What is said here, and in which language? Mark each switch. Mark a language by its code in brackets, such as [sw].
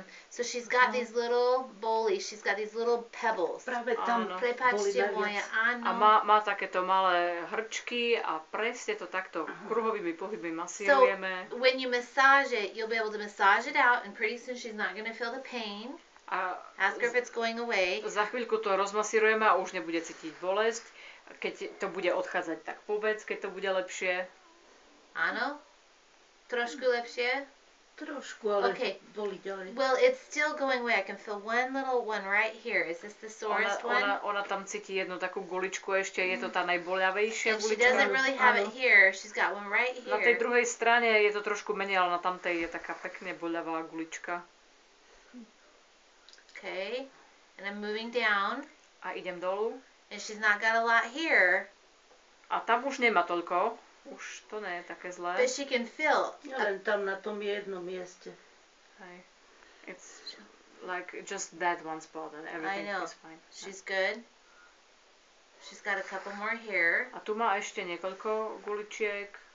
[en] So she's got these little bolies. She's got these little pebbles. [sk] Práve tam prepáčte moje. Áno. A má takéto malé hrčky a presne to takto kruhovými pohybmi masírujeme. [en] So when you massage it, you'll be able to massage it out and pretty soon she's not going to feel the pain. Ask her if it's going away. [sk] Za chvíľku to rozmasírujeme a už nebude cítiť bolesť. Keď to bude odchádzať, tak povedz, keď to bude lepšie. Áno? Trošku lepšie? Trošku, ale okay. Bolí ďalej. [en] Well, it's still going away. I can feel one little one right here. Is this the sorest one? [sk] Ona tam cíti jednu takú guličku ešte. Mm. Je to tá najboliavejšia [en] and guličku. She doesn't really have it here. She's got one right here. [sk] Na tej druhej strane je to trošku menej, ale na tamtej je taká pekne boliavá gulička. [en] Okay, and I'm moving down. [sk] A idem dolu. [en] And she's not got a lot here. [sk] A tam už nemá toľko. Už to nie je také zlé. [en] But she can feel. [sk] Ja len tam na tom jednom mieste. [en] Hey. It's like just that one spot and everything is fine. She's good. She's got a couple more here. [sk] A tu má ešte niekoľko guličiek.